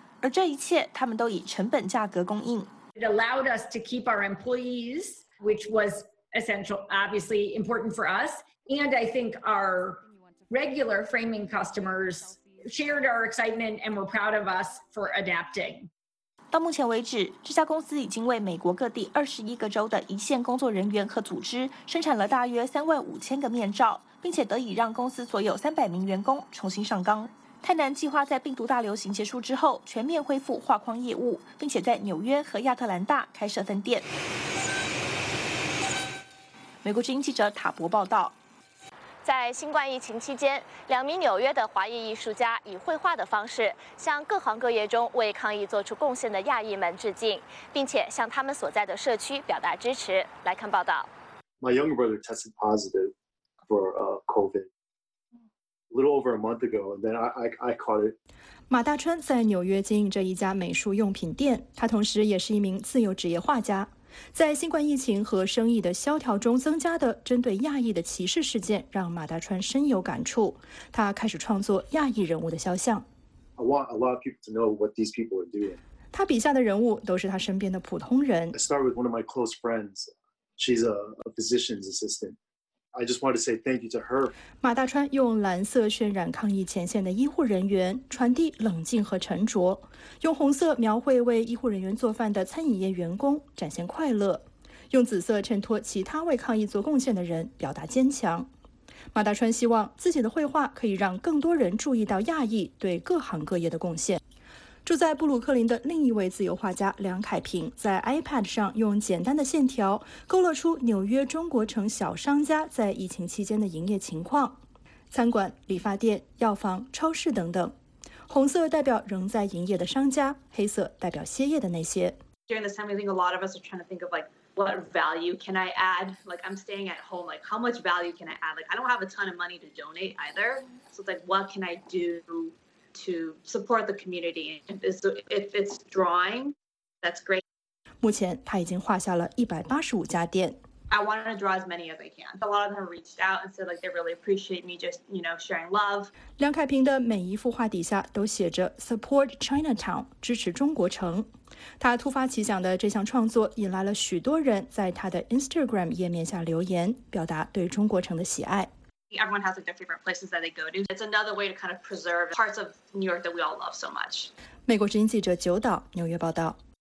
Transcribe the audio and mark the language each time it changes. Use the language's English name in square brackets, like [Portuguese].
[Chinese] 而这一切他们都以成本价格供应。 [English] It allowed us to keep our employees, which was essential, obviously important for us. And I think our regular framing customers shared our excitement and were proud of us for adapting. [Chinese] 到目前为止，这家公司已经为美国各地21个州的一线工作人员和组织生产了大约35000个面罩，并且得以让公司所有300名员工重新上岗。泰南计划在病毒大流行结束之后全面恢复画框业务，并且在纽约和亚特兰大开设分店。美国之音记者塔博报道。在新冠疫情期间，两名纽约的华裔艺术家以绘画的方式向各行各业中为抗疫做出贡献的亚裔们致敬，并且向他们所在的社区表达支持。来看报道。 [English] My younger brother tested positive for COVID a little over a month ago, and then I caught it. [Chinese] 马大春在纽约经营着一家美术用品店，他同时也是一名自由职业画家。在新冠疫情和生意的萧条中增加的针对亚裔的歧视事件让马大川深有感触，他开始创作亚裔人物的肖像。 [English] I want a lot of people to know what these people are doing. [Chinese] 他笔下的人物都是他身边的普通人。 [English] I start with one of my close friends. She's a physician's assistant. I just wanted to say thank you to her. [Chinese] 马大川用蓝色渲染抗疫前线的医护人员，传递冷静和沉着。用红色描绘为医护人员做饭的餐饮业员工，展现快乐。用紫色衬托其他为抗疫做贡献的人，表达坚强。马大川希望自己的绘画可以让更多人注意到亚裔对各行各业的贡献。住在布鲁克林的另一位自由画家梁凯平，在 iPad 上用简单的线条勾勒出纽约中国城小商家在疫情期间的营业情况，餐馆、理发店、药房、超市等等。红色代表仍在营业的商家，黑色代表歇业的那些。 [English] During this time, I think a lot of us are trying to think of like, what value can I add? Like, I'm staying at home. Like, how much value can I add? Like, I don't have a ton of money to donate either. So it's like, what can I do? To support the community, if it's drawing, that's great. [Chinese] 目前他已经画下了185家店。 [English] I want to draw as many as I can. A lot of them reached out and said like they really appreciate me just you know sharing love. [Chinese] 梁凯平的每一幅画底下都写着 [English] Support Chinatown, [Chinese] 支持中国城。他突发奇想的这项创作引来了许多人在他的 Instagram 页面下留言，表达对中国城的喜爱。 [English] Everyone has like their favorite places that they go to. It's another way to kind of preserve parts of New York that we all love so much. [Chinese] 美国之音记者九岛，纽约报道。